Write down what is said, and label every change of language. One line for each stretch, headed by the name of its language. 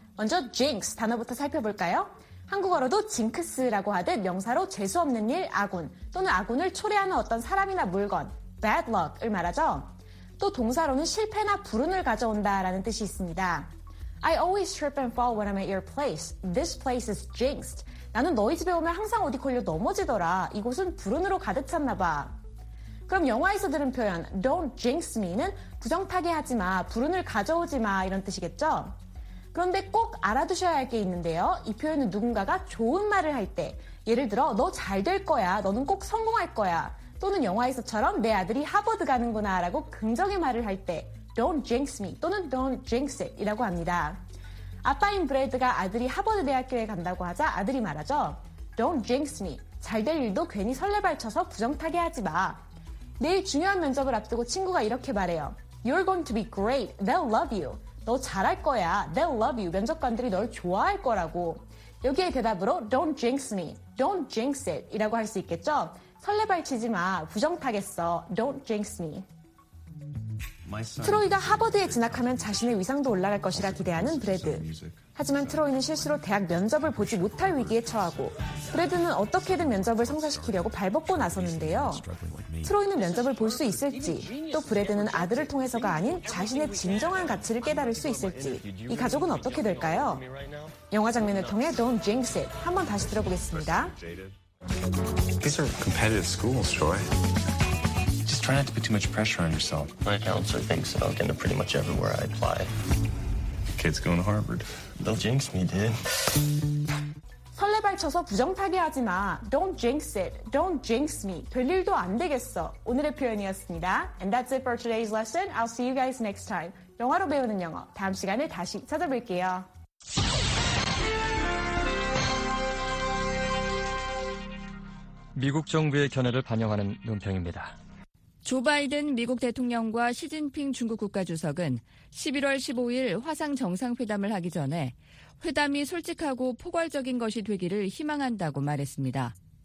Korean: 먼저 jinx 단어부터 살펴볼까요? 한국어로도 징크스라고 하듯 명사로 재수 없는 일, 아군 또는 아군을 초래하는 어떤 사람이나 물건,
English: bad luck
Korean: 을 말하죠. 또 동사로는 실패나 불운을 가져온다라는 뜻이 있습니다.
English: I always trip and fall when I'm at your place. This place is jinxed.
Korean: 나는 너희 집에 오면 항상 어디 걸려 넘어지더라. 이곳은 불운으로 가득 찼나 봐. 그럼 영화에서 들은 표현
English: Don't jinx me
Korean: 는 부정타게 하지 마, 불운을 가져오지 마 이런 뜻이겠죠? 그런데 꼭 알아두셔야 할 게 있는데요. 이 표현은 누군가가 좋은 말을 할 때 예를 들어 너 잘 될 거야, 너는 꼭 성공할 거야 또는 영화에서처럼 내 아들이 하버드 가는구나 라고 긍정의 말을 할 때
English: Don't jinx me
Korean: 또는
English: Don't jinx it
Korean: 이라고 합니다. 아빠인 브래드가 아들이 하버드 대학교에 간다고 하자 아들이 말하죠.
English: Don't jinx me.
Korean: 잘 될 일도 괜히 설레발쳐서 부정타게 하지 마. 내일 중요한 면접을 앞두고 친구가 이렇게 말해요.
English: You're going to be great. They'll love you.
Korean: 너 잘할 거야.
English: They'll love you.
Korean: 면접관들이 널 좋아할 거라고. 여기에 대답으로
English: Don't jinx me. Don't jinx it
Korean: 이라고 할 수 있겠죠. 설레발치지 마. 부정타겠어.
English: Don't jinx me.
Korean: 트로이가 하버드에 진학하면 자신의 위상도 올라갈 것이라 기대하는 브래드. 하지만 트로이는 실수로 대학 면접을 보지 못할 위기에 처하고 브래드는 어떻게든 면접을 성사시키려고 발벗고 나섰는데요. 트로이는 면접을 볼 수 있을지 또 브래드는 아들을 통해서가 아닌 자신의 진정한 가치를 깨달을 수 있을지 이 가족은 어떻게 될까요? 영화 장면을 통해
English: Don't jinx it
Korean: 한번 다시 들어보겠습니다.
English: These are competitive schools, Troy. Just try not to put too much pressure on yourself. My counselor thinks that I'll get into pretty much everywhere I apply. Kids going to Harvard. They'll jinx me, dude.
Korean: 설레발쳐서 부정타게 하지 마.
English: Don't jinx it. Don't jinx me.
Korean: 될 일도 안 되겠어. 오늘의 표현이었습니다.
English: And that's it for today's lesson. I'll see you guys next time.
Korean: 영화로 배우는 영어. 다음 시간에 다시 찾아뵐게요. (목소리) 미국 정부의 견해를 반영하는 논평입니다. 조 바이든 미국 대통령과 시진핑 중국 국가주석은 11월 15일 화상 정상회담을 하기 전에 회담이 솔직하고 포괄적인 것이 되기를 희망한다고 말했습니다.